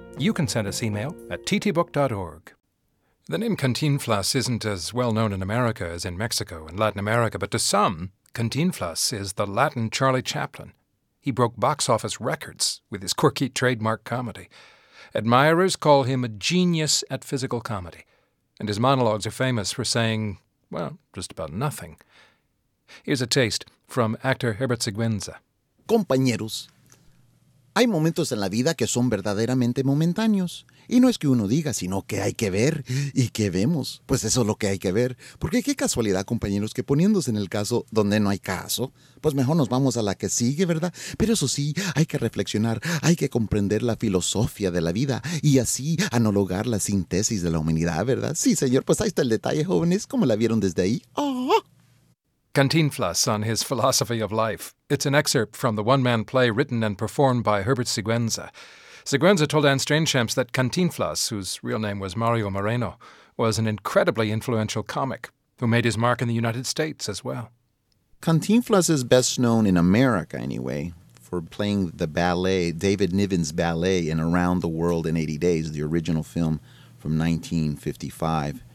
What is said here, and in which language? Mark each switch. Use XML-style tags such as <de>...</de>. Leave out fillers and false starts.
<en>You can send us email at ttbook.org. The name Cantinflas isn't as well known in America as in Mexico and Latin America, but to some, Cantinflas is the Latin Charlie Chaplin. He broke box office records with his quirky trademark comedy. Admirers call him a genius at physical comedy, and his monologues are famous for saying, well, just about nothing. Here's a taste from actor Herbert Siguenza.</en> <es>Compañeros, hay momentos en la vida que son verdaderamente momentáneos. Y no es que uno diga, sino que hay que ver y que vemos. Pues eso es lo que hay que ver. Porque qué casualidad, compañeros, que poniéndose en el caso donde no hay caso, pues mejor nos vamos a la que sigue, ¿verdad? Pero eso sí, hay que reflexionar, hay que comprender la filosofía de la vida y así analogar la síntesis de la humanidad, ¿verdad? Sí, señor, pues ahí está el detalle, jóvenes, ¿cómo la vieron desde ahí? ¡Oh!</es> <en>Cantinflas on his philosophy of life. It's an excerpt from the one-man play written and performed by Herbert Siguenza. Siguenza told Anne Strangechamps that Cantinflas, whose real name was Mario Moreno, was an incredibly influential comic who made his mark in the United States as well. Cantinflas is best known in America, anyway, for playing the ballet, David Niven's ballet in Around the World in 80 Days, the original film from 1955.</en>